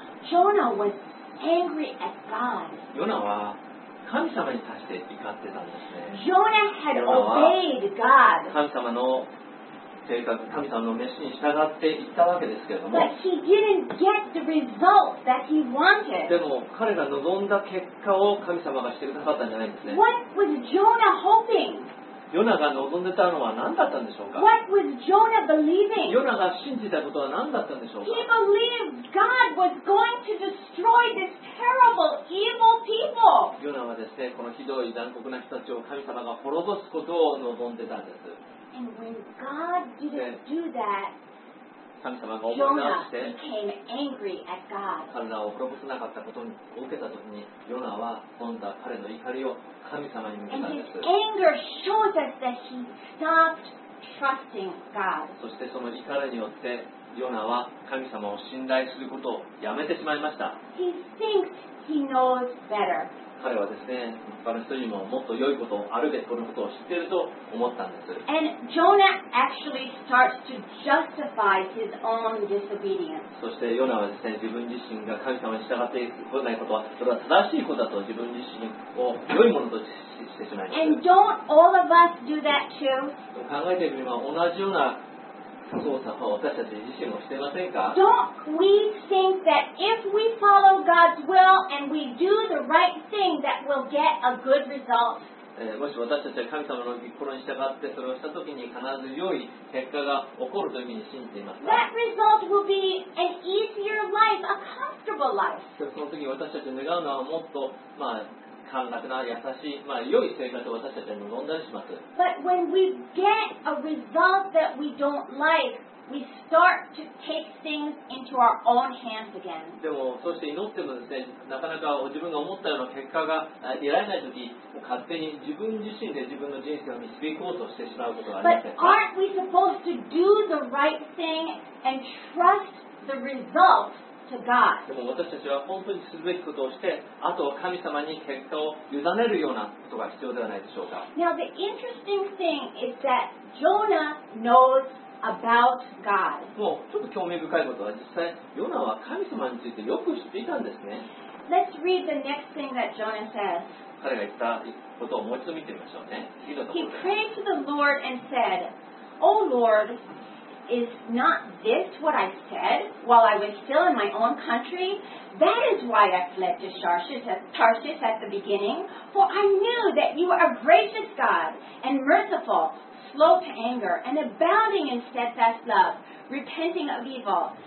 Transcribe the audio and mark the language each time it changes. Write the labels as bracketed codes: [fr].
[en] Jonah was angry at God. [ja] ヨナは神様に対して怒ってたんですね [en] Jonah had obeyed God. [ja] 神様の正確、神様の召しに従っていったわけですけれども [en] But he didn't get the result that he wanted. [ja] でも彼が望んだ結果を神様がしてくださったんじゃないんですね [en] What was Jonah hoping? [ja] ヨナが望んでたのは何だったんでしょうか [en] What was Jonah believing? [ja] ヨナが信じたことは何だったんでしょうか [en] He believed God was going to destroy this terrible, evil people. [ja] ヨナはですね、このひどい残酷な人たちを神様が滅ぼすことを望んでたんです [en] And when God didn't do that, Jonah became angry at God. [ja] 彼らを滅ぼせなかったことを受けたときに、ヨナは今度は彼の怒りを神様に向けたんです。 [en] And his anger shows us that he stopped trusting God. [ja] そしてその怒りによってヨナは神様を信頼することをやめてしまいました。 [en] He thinks he knows better. [ja] 彼はですね、他の人にももっと良いことをあるべきことを知っていると思ったんです。 [en] And Jonah actually starts to justify his own disobedience. [ja] そしてヨナはですね、自分自身が神様に従っていないことは、それは正しいことだと自分自身を良いものとしてしまいました。 [en] And don't all of us do that too? [ja] 考えてみれば同じような操作を私たち自身もしていませんか? [en] Don't we think that if we follow God's will and we do the right thing that we'll get a good result? [ja] もし私たちは神様の御心に従ってそれをしたときに必ず良い結果が起こるというふうに信じていますか? [en] That result will be an easier life, a comfortable life. [ja] その時に私たちが願うのはもっと、まあ感覚な優しい、まあ、良い生活を私たちに望んだりします。 [en] But when we get a result that we don't like, we start to take things into our own hands again. [ja] でも、そして祈ってもですね、なかなか自分が思ったような結果が得られないとき、勝手に自分自身で自分の人生を導こうとしてしまうことがあります。 [en] But aren't we supposed to do the right thing and trust the result? [ja] でも私たちは本当にするべきことをしてあとは神様に結果を委ねるようなことが必要ではないでしょうか。 [en] Now the interesting thing is that Jonah knows about God. [ja] もうちょっと興味深いことは実際ヨナは神様についてよく知っていたんですね。 [en] Let's read the next thing that Jonah says. [ja] 彼が言ったことをもう一度見てみましょうね。 [en] He prayed to the Lord and said, O Lord,Is not this what I said while I was still in my own country? That is why I fled to Tarshish at the beginning, for I knew that you are a gracious God and merciful, slow to anger, and abounding in steadfast love, repenting of evil.